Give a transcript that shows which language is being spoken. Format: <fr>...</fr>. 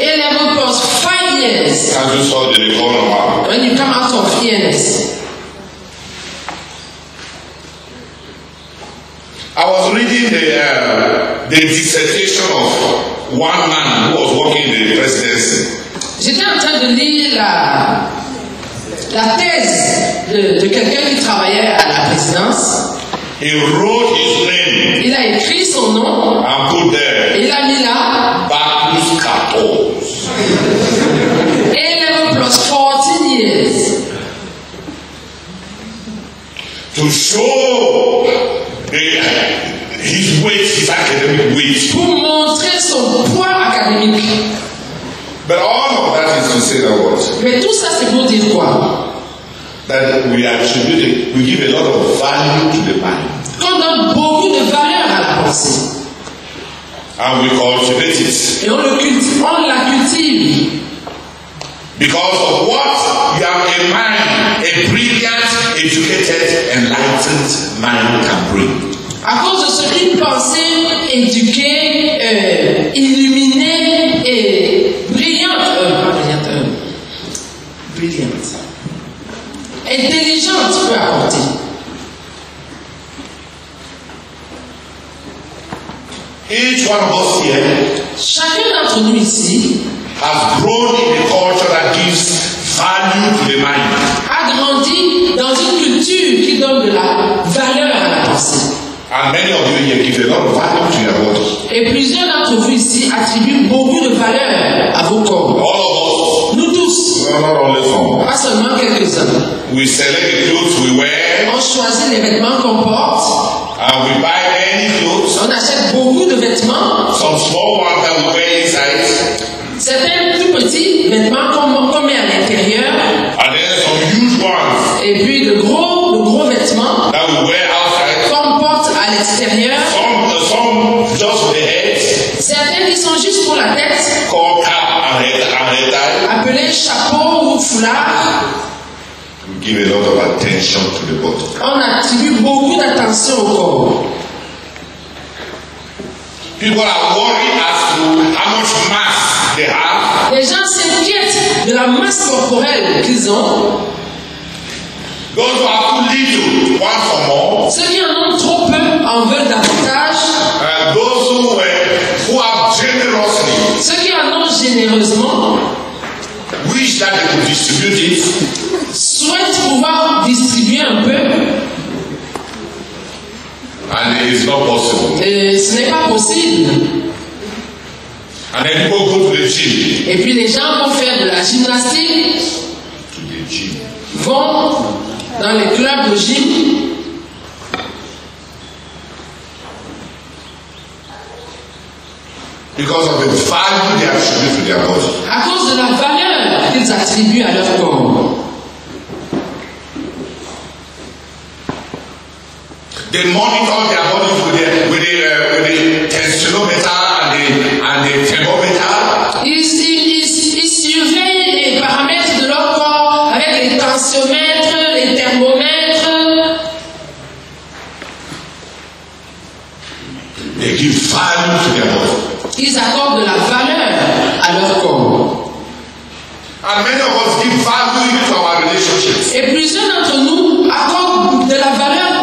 <en>A level plus 5 years.</en> <fr>Quand tu sors de l'école normale.</fr> <en>When you come out of ENS. I was reading the dissertation of one man who was working in the presidency.</en> <fr>J'étais en train de lire la thèse de quelqu'un qui travaillait à la présidence.</fr> <en>He wrote his name.</en> <fr>Il a écrit son nom.</fr> <en>And put there.</en> <fr>Il a mis là. Bac plus 14.</fr> <en>A level plus 14 years. To show his weight, his academic weight.</en> <fr>Pour montrer son poids académique.</fr> <en>But all of that is to say that what?</en> <fr>Mais tout ça c'est pour dire quoi?</fr> <en>That we attribute, we give a lot of value to the man.</en> <fr>Qu'on donne beaucoup de valeur à la pensée.</fr> <en>And we cultivate it.</en> <fr>Et on le cultive, on la cultive.</fr> <en>Because of what? You have a mind, a brilliant, educated, enlightened mind can bring.</en> <fr>À cause de ce qu'une pensée éduquée, illuminée et brillante, brillante, intelligente peut apporter.</fr> <en>Each one of us here,</en> <fr>chacun d'entre nous ici,</fr> <en>has grown in a culture that gives value to the mind.</en> <fr>A grandi dans une culture qui donne de la valeur à la pensée.</fr> <en>And many of you here give a lot of value to your body.</en> <fr>Et plusieurs d'entre vous ici attribuent beaucoup de valeur à vos corps.</fr> <en>All of us.</en> <fr>Nous tous.</fr> <en>Not only some.</en> <fr>Pas seulement quelques-uns.</fr> <en>We select the clothes we wear.</en> <fr>On choisit les vêtements qu'on porte.</fr> <en>And we buy many clothes.</en> <fr>On achète beaucoup de vêtements.</fr> <en>Some small ones that we wear inside.</en> <fr>Certains tout petits vêtements qu'on met à l'intérieur.</fr> <en>And then some huge ones.</en> <fr>Et puis de gros vêtements.</fr> <en>That we wear outside.</en> <fr>Qu'on porte à l'extérieur.</fr> <en>Some just for the head.</en> <fr>Certains qui sont juste pour la tête.</fr> <en>Called cap and head.</en> <fr>Appelé chapeau ou foulard.</fr> <en>We give a lot of attention to the body.</en> <fr>On attribue beaucoup d'attention au corps.</fr> <en>People are worried as to how much mass they have.</en> <fr>Les gens s'inquiètent de la masse corporelle qu'ils ont.</fr> <en>Those who have too little want for more.</en> <fr>Ceux qui en ont trop peu en veulent davantage.</fr> <en>Those who have generously.</en> <fr>Ceux qui en ont généreusement.</fr> <en>Wish that they could distribute it.</en> <fr>Souhaitent pouvoir distribuer un peu.</fr> <en>And it is not possible.</en> <fr>Et ce n'est pas possible.</fr> <en>And then people go to the gym.</en> <fr>Et puis les gens vont faire de la gymnastique.</fr> <en>To the gym.</en> <fr>Vont dans les clubs de gym.</fr> <en>Because of the value they attribute to their body.</en> <fr>À cause de la valeur qu'ils attribuent à leur corps.</fr> <en>They monitor their bodies with the tensiometer and the thermometer.</en> <fr>Ils surveillent les paramètres de leur corps avec les tensiomètres, les thermomètres.</fr> <en>They give value to their body.</en> <fr>Ils accordent de la valeur à leur corps.</fr> <en>And many of us give value to our relationships.</en> <fr>Et plusieurs d'entre nous accordent de la valeur.</fr>